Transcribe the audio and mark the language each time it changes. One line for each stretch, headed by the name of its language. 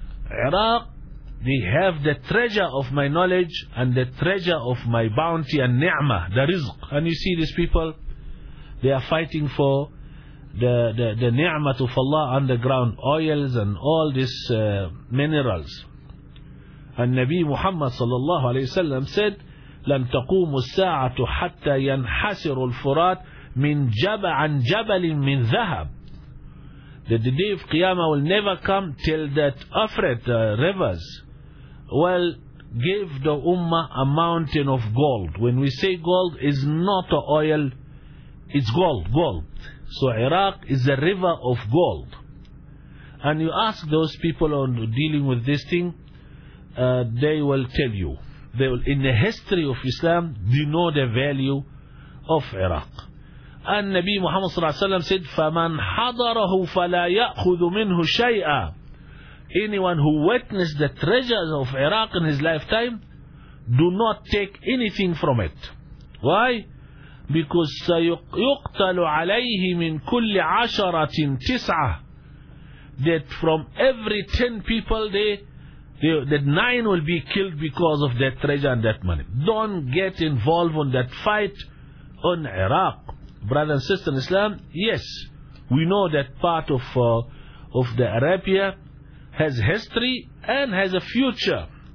English: Iraq, they have the treasure of my knowledge and the treasure of my bounty and ni'mah, the rizq. And you see these people, they are fighting for the ni'mah of Allah underground, oils and all these minerals. And Nabi Muhammad sallallahu alayhi wa sallam said,
Arabic: لَمْ تَقُومُ السَّاعَةُ حَتَّى يَنْحَسِرُ الْفُرَاتِ مِنْ جَبَعًا جَبَلٍ مِنْ ذَهَبٍ.
English: That the day of Qiyamah will never come till that Euphrates, rivers, will give the Ummah a mountain of gold. When we say gold, is not oil, it's gold, gold. So Iraq is a river of gold. And you ask those people on dealing with this thing, they will tell you. They will, in the history of Islam, they know the value of Iraq. And Nabi Muhammad sallallahu alayhi wa sallam said,
Arabic: فَمَنْ حَضَرَهُ فَلَا يَأْخُذُ مِنْهُ شَيْئًا.
English: Anyone who witnessed the treasures of Iraq in his lifetime, do not take anything from it. Why? Because
Arabic: سَيُقْتَلُ عَلَيْهِ مِنْ كُلِّ عَشَرَةٍ تِسْعَةٍ.
English: That from every 10 people they, that 9 will be killed because of that treasure and that money. Don't get involved in that fight on Iraq. Brother and sister in Islam, yes, we know that part of the Arabia has history and has a future.